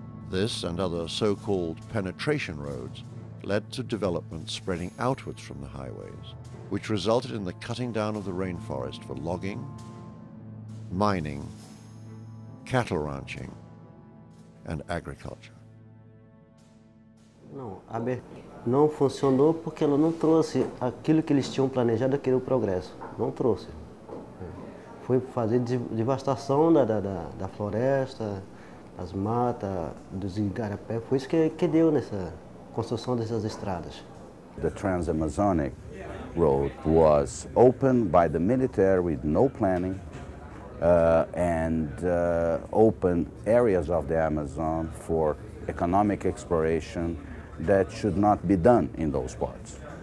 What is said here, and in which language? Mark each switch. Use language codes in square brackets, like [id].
[en] This and other so-called penetration roads led to development spreading outwards from the highways, which resulted in the cutting down of the rainforest for logging, mining, cattle ranching, and agriculture. [pt] Não, a B não funcionou porque ela não trouxe aquilo que eles tinham planejado, que era o progresso. Não trouxe. Foi fazer devastação da floresta, das matas, dos igarapés. Foi isso que deu nessa construção dessas estradas. [en] The Trans-Amazonic Road was opened by the military with no planning and opened areas of the Amazon for economic exploration that should not be done in those parts.